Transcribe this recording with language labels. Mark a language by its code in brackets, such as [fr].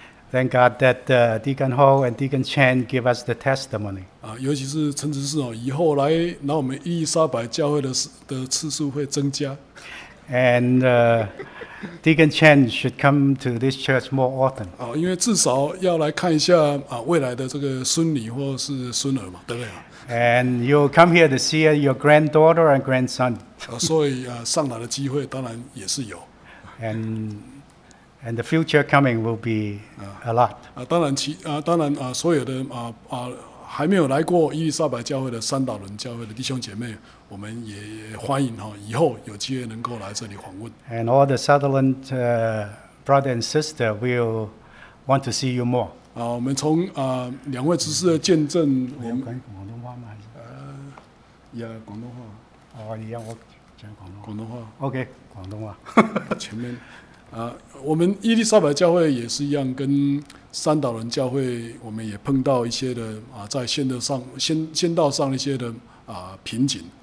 [en] Thank God that Deacon Ho and Deacon Chen give us the testimony. [zh] 尤其是陈执事以后来拿我们伊丽莎白教会 的次数会增加。 [en] And Deacon Chen should come to this church more often. [zh] 因为至少要来看一下未来的这个孙女或是孙儿嘛，对不对？ [en] And you'll come here to see your granddaughter and grandson. [zh] 所以上来的机会当然也是有。 [en] And the future coming will be a lot. [zh] 当然，所有的还没有来过伊丽莎白教会的三岛伦教会的弟兄姐妹，我们也欢迎哈，以后有机会能够来这里访问。 [en] And all the Sutherland brother and sister will want to see you more. [zh] 啊，我们从两位执事的见证，我们讲广东话吗？广东话。哦，你要我讲广东话。广东话。 OK， 广东话。前面。我们伊丽莎白教会也是一样，跟三岛伦教会，我们也碰到一些的在先的上先道上一些的瓶颈。